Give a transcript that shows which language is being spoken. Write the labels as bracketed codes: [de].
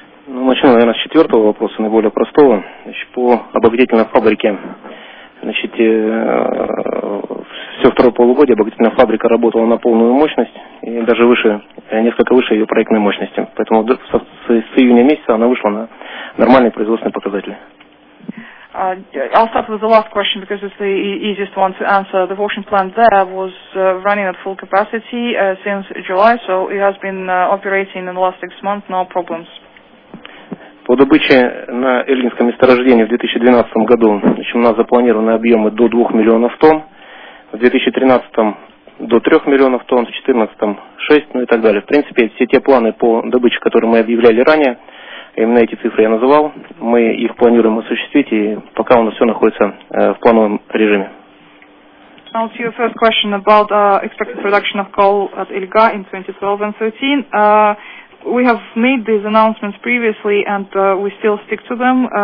[ru] Ну, начну, наверное, с четвертого вопроса, наиболее простого. Значит, по обогревательной фабрике. Значит, в все второе полугодие обогатительная фабрика работала на полную мощность и даже выше, несколько выше ее проектной мощности. Поэтому с июня месяца она вышла на нормальные производственные показатели. [en] I'll start with the last question because it's the easiest one to answer. The washing plant there was running at full capacity since July, so it has been operating in the last 6 months, no problems. [ru] По добыче на Эльгинском месторождении в 2012 году, значит, у нас запланированы объемы до 2 миллионов тонн, в 2013 до 3 миллионов тонн, в 2014 6, ну и так далее. В принципе, все те планы по добыче, которые мы объявляли ранее, именно эти цифры я называл, мы их планируем осуществить, и пока у нас все находится в плановом режиме. [en] Now to your first question about expected production of coal at Ильга in 2012 and 2013. We have made these announcements previously, and we still stick to them.